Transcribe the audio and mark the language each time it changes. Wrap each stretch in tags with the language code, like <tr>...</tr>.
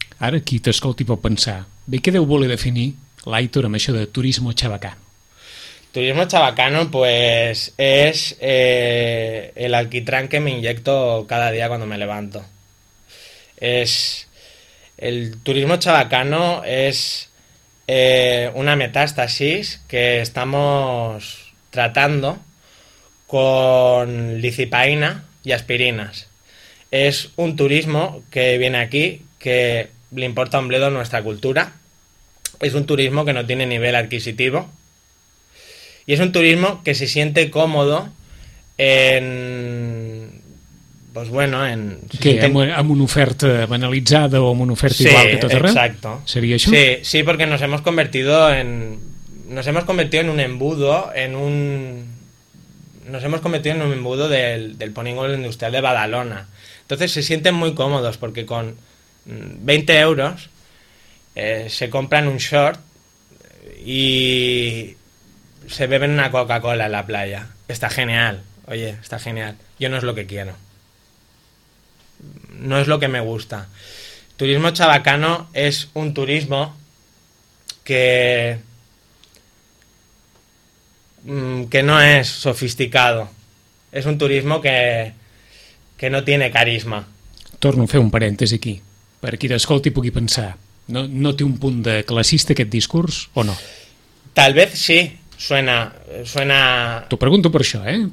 <ca>Ara aquí t'escolti per pensar, bé, què deu voler definir l'Aitor amb això de turismo chabacano?</ca> <es>Turismo chabacano, pues es el alquitrán que me inyecto cada día cuando me levanto. El turismo chabacano es una metástasis que estamos tratando con lidocaína y aspirinas. Es un turismo que viene aquí, que le importa un bledo nuestra cultura. Es un turismo que no tiene nivel adquisitivo. Y es un turismo que se siente cómodo en... Pues bueno, en...</es> <ca>Que amb una oferta banalitzada o amb una oferta, sí, igual que tot arreu?</ca> <es>Exacto.</es> <ca>Seria això?</ca> <es>Sí, sí, porque nos hemos convertido en un embudo, en un... nos hemos convertido en un embudo del polígono industrial de Badalona. Entonces se sienten muy cómodos porque con 20 euros se compran un short y se beben una Coca-Cola en la playa. Está genial, oye, está genial. Yo no es lo que quiero. No es lo que me gusta. Turismo chabacano es un turismo que no es sofisticado. Es un turismo que no tiene carisma.</es> <ca>Torno a fer un parèntesi aquí, per qui t'escolti i pugui pensar. No té un punt de classista aquest discurs o no?</ca> <es>Tal vez sí, suena...</es> <ca>T'ho pregunto per això, eh?</ca>